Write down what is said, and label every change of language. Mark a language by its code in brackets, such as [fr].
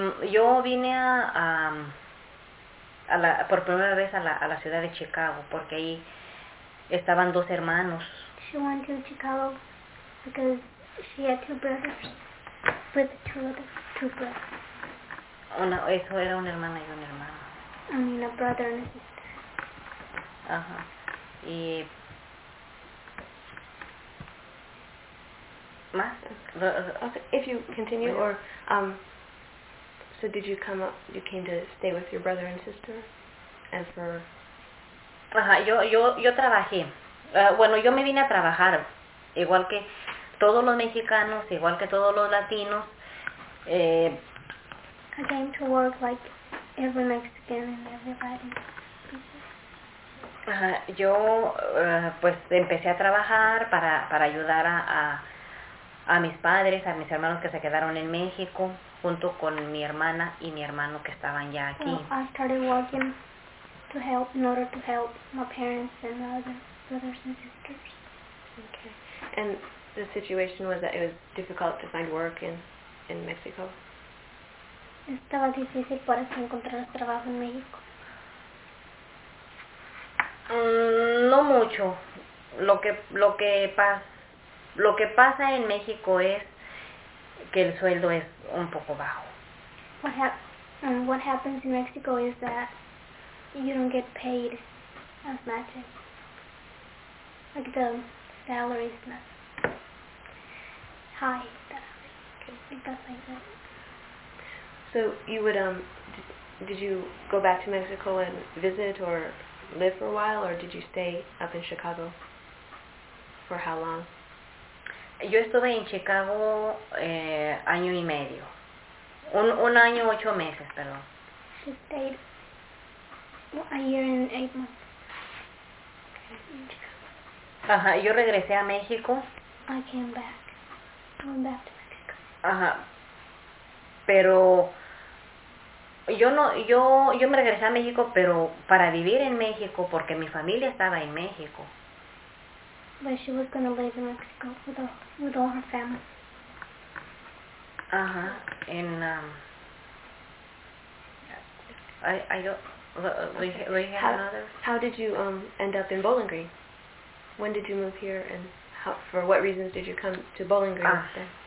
[es] Yo vine a la por primera vez a la ciudad de Chicago, porque ahí Estaban dos hermanos. [en] She went to Chicago because she had two brothers. With two brothers. [es] Una, eso era una hermana y un hermano. [en] I mean a brother and a sister. [es] Ajá. Y más. [en] Okay, if you continue, or so did you come up? You came to stay with your brother and sister, as for. [es] Ajá. Yo trabajé. Bueno, yo me vine a trabajar, igual que todos los mexicanos, igual que todos los latinos. [en] I came to work like every Mexican and everybody. [es] Yo pues empecé a trabajar para ayudar a mis padres, a mis hermanos que se quedaron en México, junto con mi hermana y mi hermano que estaban ya aquí. [en] Well, I started working to help in order to help my parents and my other brothers and sisters. Okay. And the situation was that it was difficult to find work in Mexico. [es] Estaba difícil para encontrar trabajo en México. No mucho. Lo que pasa en México es que el sueldo es un poco bajo. [en] What happens in Mexico is that you don't get paid as much. Like the salary is not high. Okay. So you would did you go back to Mexico and visit or live for a while, or did you stay up in Chicago for how long? [es] Yo estuve en Chicago año y medio. Un año 8 meses, perdón. [en] She stayed a year and 8 months in Chicago. [es] Ajá, yo regresé a México. [en] I went back to Mexico. [es] Ajá. Pero yo me regresé a México, pero para vivir en México, porque mi familia estaba en México. [en] But she was going to live in Mexico with all her family. Uh-huh. How did you end up in Bowling Green? When did you move here, and how, for what reasons did you come to Bowling Green then?